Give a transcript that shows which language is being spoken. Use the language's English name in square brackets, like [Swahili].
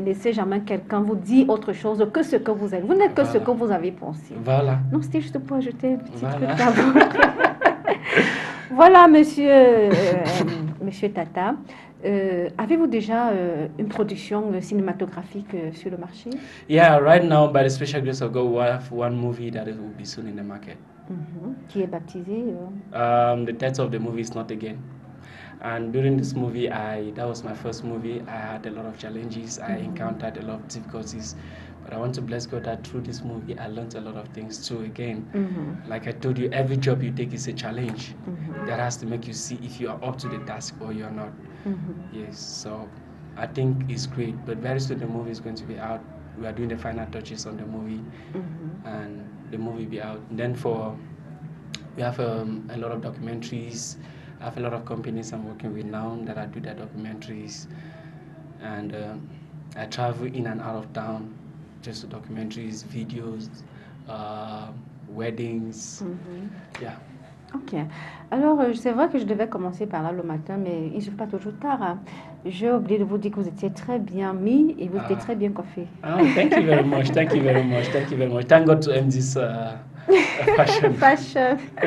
[French] Laissez jamais quelqu'un vous dire autre chose que ce que vous êtes. Vous n'êtes que ce que vous avez pensé. Voilà. Non, c'était juste pour ajouter un petit truc à vous. Voilà, monsieur Tata. Avez-vous déjà une production cinématographique sur le marché? [English] Yeah, right now, by the special grace of God, we have one movie that it will be soon in the market. [French] Qui est baptisé? [English] The title of the movie is Not Again. And during this movie, that was my first movie. I had a lot of challenges. I encountered a lot of difficulties. But I want to bless God that through this movie, I learned a lot of things too. Again, like I told you, every job you take is a challenge that has to make you see if you are up to the task or you're not. Yes, so I think it's great. But very soon, the movie is going to be out. We are doing the final touches on the movie. And the movie be out. And then we have a lot of documentaries. I have a lot of companies I'm working with now that I do their documentaries. And I travel in and out of town just to documentaries, videos, weddings. Yeah. Ok. [French] Alors, c'est vrai que je devais commencer par là le matin, mais il n'est pas toujours tard. J'ai oublié de vous dire que vous étiez très bien mis et vous étiez très bien coiffé. [English] Thank you very much. Thank God to end this fashion.